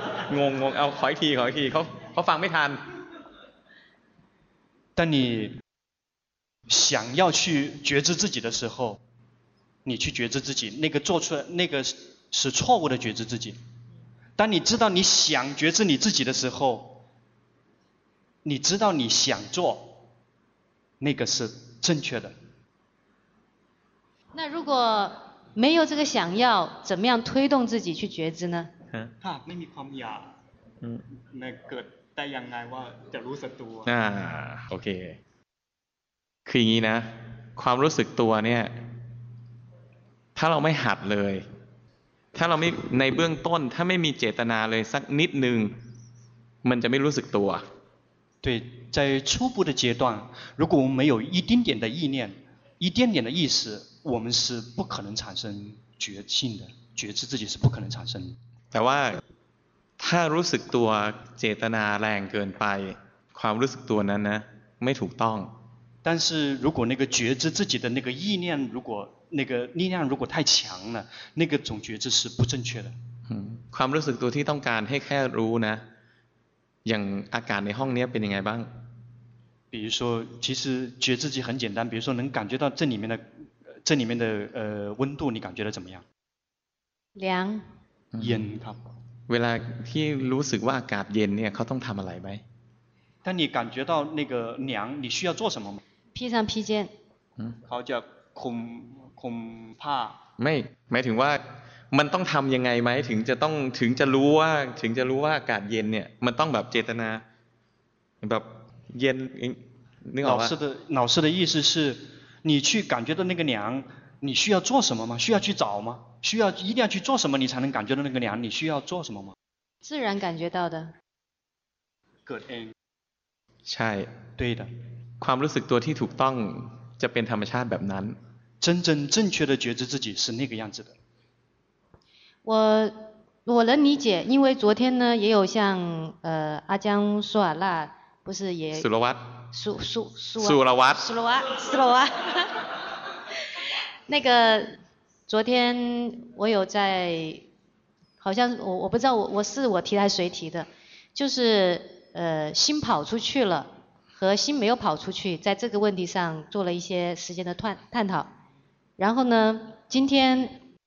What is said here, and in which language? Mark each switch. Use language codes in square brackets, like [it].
[th] งงงงเอาขออีกทีขออีกทีเขาฟังไม่ทัน [zh] 当你想要去觉知自己的时候你去觉知自己那个做出那个是错误的觉知自己当你知道你想觉知你自己的时候你知道你想做那个是正确的那如果没有这个想要怎么样推动自己去觉知呢 [th] ถ้าไม่มีความอยากนั่นเกิดได้ยังไงว่าจะรู้สึกตัว โอเคคืออย่างนี้นะความรู้สึกตัวเนี่ยถ้าเราไม่หัดเลยถ้าเราไม่ในเบื้องต้นถ้าไม่มีเจตนาเลยสักนิดนึงมันจะไม่รู้สึกตัว [zh] 对在初步的阶段如果我们没有一丁点的意念一丁点的意识我们是不可能产生觉性的觉知自己是不可能产生的 [th] แต่ว่าถ้ารู้สึกตัวเจตนาแรงเกินไปความรู้สึกตัวนั้นนะไม่ถูกต้อง [zh] 但是如果那个觉知自己的那个意念如果那个力量如果太强了那个总觉知是不正确的 [th] ความรู้สึกตัวที่ต้องการให้แค่รู้นะอย่างอาการในห้องนี้เป็นยังไงบ้าง [zh] 比如说其实觉知自己很简单比如说能感觉到这里面的温度你感觉得怎么样凉 [th] เย็นครับ เวลาที่รู้สึกว่าอากาศเย็นเนี่ยเขาต้องทำอะไรไหม [zh] 当你感觉到那个凉你需要做什么吗披上披肩 [th] เขาจะคุมผ้า ไม่หมายถึงว่ามันต้องทำยังไงไหมถึงจะรู้ว่าถึงจะรู้ว่าอากาศเย็นเนี่ยมันต้องแบบเจตนาแบบเย็นนึกออกไหม [zh] 老师的老师的意思是你去感觉到那个凉你需要做什么吗需要去找吗需要一定要去做什么你才能感觉到那个凉你需要做什么吗自然感觉到的 good end [th] ใช่ [zh] 对的 [th] ความรู้สึกตัวที่ถูกต้องจะเป็นธรรมชาติแบบนั้น [zh] 真正正确的觉知自己是那个样子的我能理解因为昨天呢也有像阿江苏瓦拉不是也苏罗瓦苏罗瓦那个昨天我有在好像我不知道我提还是谁提的就是心跑出去了和心没有跑出去在这个问题上做了一些时间的探讨然后呢今天